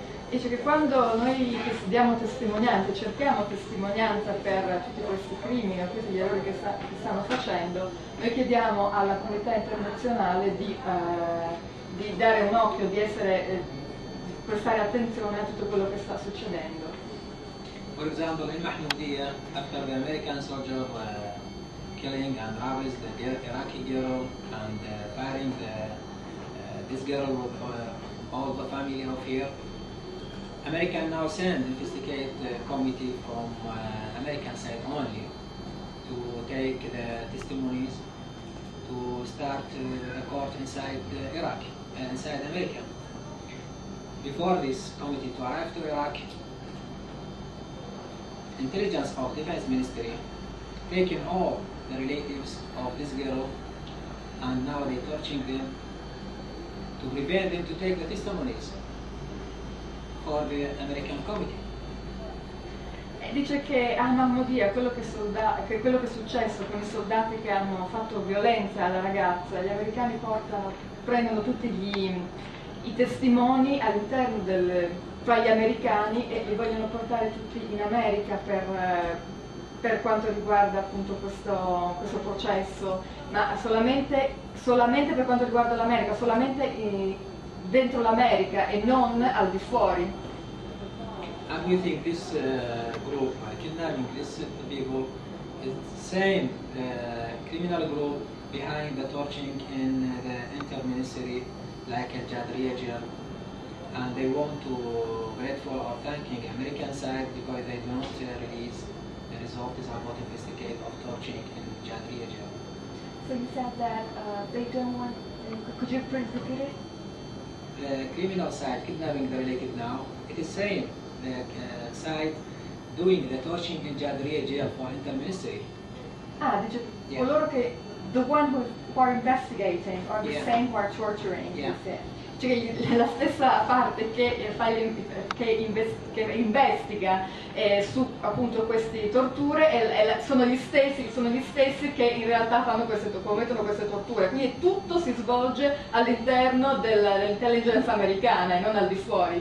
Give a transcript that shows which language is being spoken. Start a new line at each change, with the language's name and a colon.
Italian: Dice che quando noi diamo testimonianza, cerchiamo testimonianza per tutti questi crimini, o tutti gli errori che stanno facendo, noi chiediamo alla comunità internazionale di dare un occhio, di prestare attenzione a tutto quello che sta succedendo.
English: For example, in Mahmoudia, after the American soldier killing and ravaged the Iraqi girl and firing this girl with all the family of here. America now send investigate committee from American side only to take the testimonies to start the court inside Iraq, inside America. Before this committee to arrive to Iraq, intelligence of defense ministry taking all the relatives of this girl, and now they're torturing them to prevent them to take the testimonies for the American committee.
Italian: Dice che Ahmadinejad, quello che è successo con i soldati che hanno fatto violenza alla ragazza, gli americani prendono tutti i testimoni all'interno tra gli americani e li vogliono portare tutti in America per quanto riguarda appunto questo processo, ma solamente per quanto riguarda l'America, solamente dentro l'America e non al di fuori.
English: And you think this group, kidnapping these people, is the same criminal group behind the torturing in the inter-ministry, like Jadria Jal, and they want to grateful or thanking American side because they do not release the results about investigate of torturing in Jadria Jal. So you said that they don't want, could you please repeat it? The criminal side kidnapping the related now, it is same. The side doing the torturing in Jadria jail for inter-ministry. The one who are investigating are the same who are torturing. Yeah.
Italian: Cioè la stessa parte che investiga su appunto queste torture sono gli stessi che in realtà commettono queste torture. Quindi tutto si svolge all'interno dell'intelligence americana e non al di fuori.